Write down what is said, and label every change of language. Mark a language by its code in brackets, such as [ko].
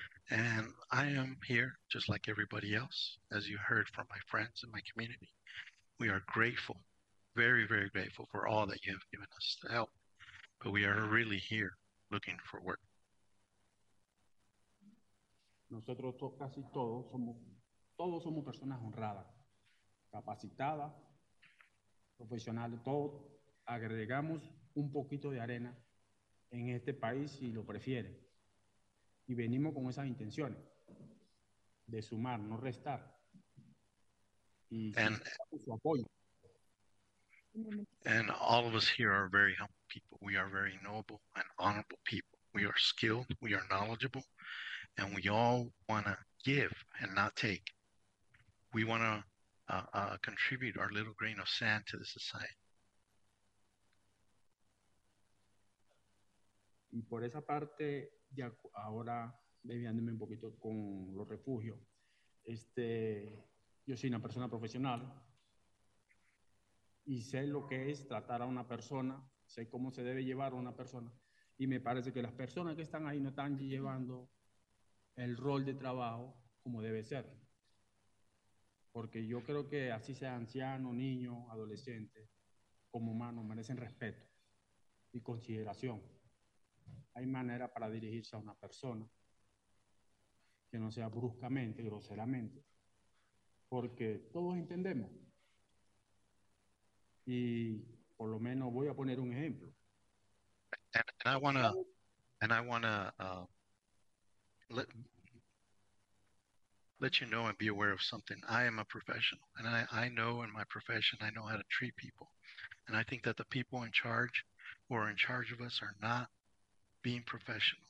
[en] And I am here just like everybody else, as you heard from my friends and my community. We are grateful, very, very grateful for all that you have given us to help. But we are really here looking for work. [es] Nosotros casi todos somos personas honradas, capacitadas, profesionales. Todos agregamos un poquito de arena en este país si lo prefiere. Y venimos con esas intenciones de sumar, no restar. Y su apoyo. [en] And all of us here are very humble people. We are very noble and honorable people. We are skilled, we are knowledgeable, and we all want to give and not take. We want to contribute our little grain of sand to the society. [es] Y por esa parte, ya ahora desviándome un poquito con los refugios, yo soy una persona profesional y sé lo que es tratar a una persona, sé cómo se debe llevar a una persona, y me parece que las personas que están ahí no están llevando el rol de trabajo como debe ser. Porque yo creo que así sea anciano, niño, adolescente, como humano, merecen respeto y consideración. Hay manera para dirigirse a una persona que no sea bruscamente, groseramente, porque todos entendemos. Y por lo menos voy a poner un ejemplo. [en] And I want to let you know and be aware of something. I am a professional, and I know in my profession, I know how to treat people. And I think that the people in charge who are in charge of us are not being professional.